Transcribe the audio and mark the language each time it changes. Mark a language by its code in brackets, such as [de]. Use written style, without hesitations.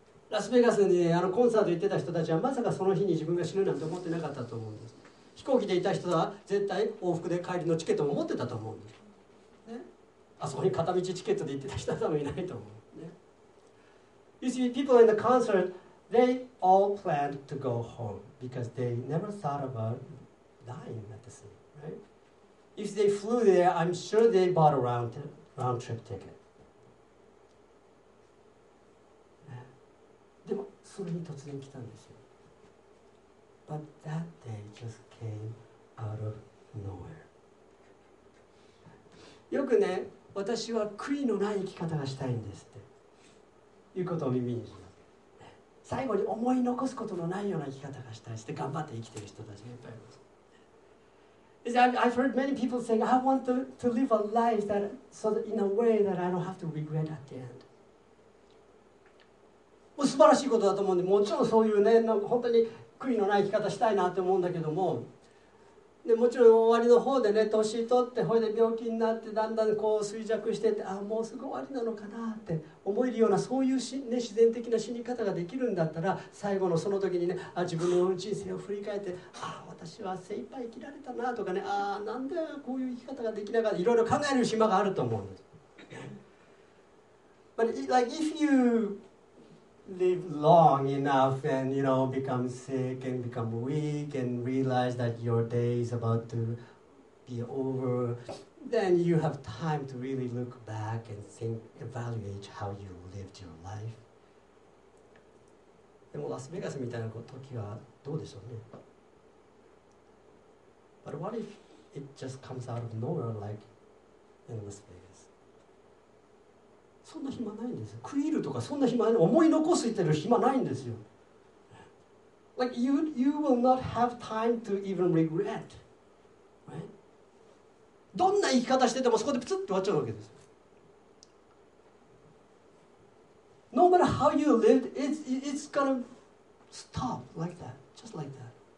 [ja] ラスベガスに、ね、あのコンサート行ってた人たちはまさかその日に自分が死ぬなんて思ってなかったと思うんです。飛行機でいた人は絶対往復で帰りのチケットも持ってたと思うんです。ね、あそこに片道チケットで行ってた人は多分いないと思う。 [en] ね、you see, people in the concert, they all planned to go home because they never thought about dying at the scene, right? If they flew there, I'm sure they bought a round trip ticket. [ja] それに突然来たんですよ。 [en] But that day just came out of nowhere. [ja] よくね、私は悔いのない生き方がしたいんですっていうことを耳にします。最後に思い残すことのないような生き方がしたいって頑張って生きている人たちがいっぱいいます。 [en] I've heard many people saying, I want to live a life that, so that in a way that I don't have to regret at the end. [ja] 素晴らしいことだと思うんで、もちろんそういうね、本当に悔いのない生き方したいなって思うんだけども、でもちろん終わりの方でね、年取ってほいで病気になってだんだんこう衰弱してって、あもうすぐ終わりなのかなって思えるような、そういうし、ね、自然的な死に方ができるんだったら、最後のその時にね、あ自分の人生を振り返って、ああ私は精一杯生きられたなとかね、ああなんでこういう生き方ができなかった、いろいろ考える暇があると思うんです。 [en] But like if you live long enough and you know become sick and become weak and realize that your day is about to be over, then you have time to really look back and think, evaluate how you lived your life. [ja] でもラスベガスみたいな時はどうでしょうね。 [en] But what if it just comes out of nowhere like in Las Vegas? [ja] そんな暇ないんですよ。食いるとかそんな暇ない、思い残すってる暇ないんですよ。 [en] Like you will not have time to even regret、right? [ja] どんな生き方しててもそこでプツッと終わっちゃうわけです。 [en] No matter how you lived, it's gonna stop like that, just like that.